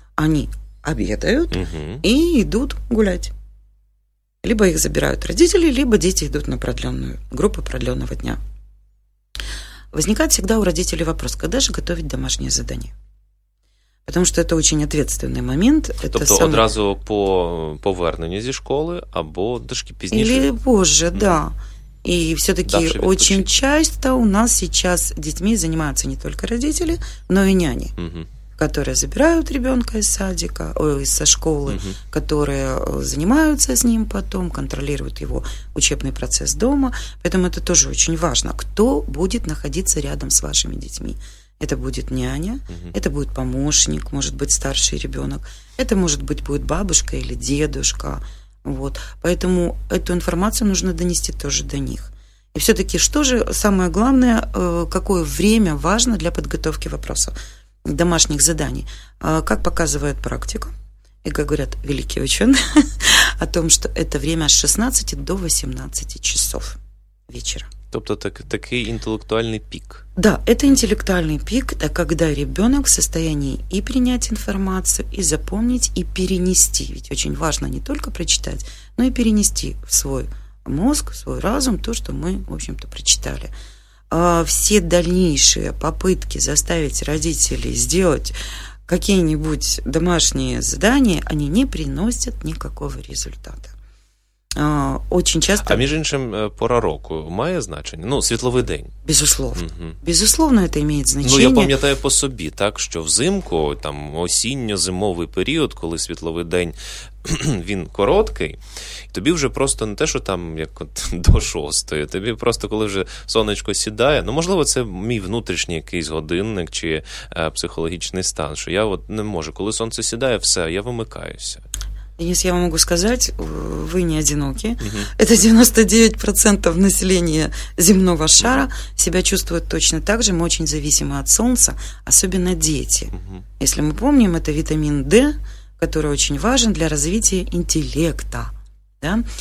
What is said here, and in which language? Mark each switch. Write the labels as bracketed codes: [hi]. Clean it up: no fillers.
[ru] Они обедают и идут гулять. Либо их забирают родители, либо дети идут на продленную группу продленного дня. Возникает всегда у родителей вопрос, когда же готовить домашнее задание? Потому что это очень ответственный момент. [uk] Одразу по поверненню зі школи або трошки пізніше. [ru] Или позже, да. И все-таки очень часто у нас сейчас детьми занимаются не только родители, но и няни. Которые забирают ребенка из садика, со школы, которые занимаются с ним потом, контролируют его учебный процесс дома. Поэтому это тоже очень важно. Кто будет находиться рядом с вашими детьми? Это будет няня, это будет помощник, может быть, старший ребенок. Это, может быть, будет бабушка или дедушка. Вот. Поэтому эту информацию нужно донести тоже до них. И все-таки, что же самое главное, какое время важно для подготовки вопросов? Домашних заданий. Как показывает практика, и как говорят великие ученые, о том, что это время с 16 до 18 часов вечера. [uk] Тобто такий інтелектуальний пік. [ru] Да, это [uk] інтелектуальний пік, [ru] это когда ребенок в состоянии и принять информацию, и запомнить, и перенести. Ведь очень важно не только прочитать, но и перенести в свой мозг, в свой разум то, что мы, в общем-то, прочитали. Все дальнейшие попытки заставить родителей сделать какие-нибудь домашние задания, они не приносят никакого результата. Очень часто... [uk] А між іншим, пора року має значення? Ну, світловий день. [ru] Безусловно. Безусловно, это имеет значение. [uk] Ну, я пам'ятаю по собі, так, що взимку, там, осінньо-зимовий період, коли світловий день... Він короткий, тобі вже просто не те, що там як от до шостої, тобі просто коли вже сонечко сідає, ну, можливо, це мій внутрішній якийсь годинник чи психологічний стан, що я от не можу, коли сонце сідає, все, я вимикаюся. [ru] Денис, я вам могу сказать, вы не одиноки. Это 99% населения земного шара себя чувствует точно так же. Мы очень зависимы от солнца, особенно дети. Если мы помним, это витамин D, который очень важен для развития интеллекта. Да?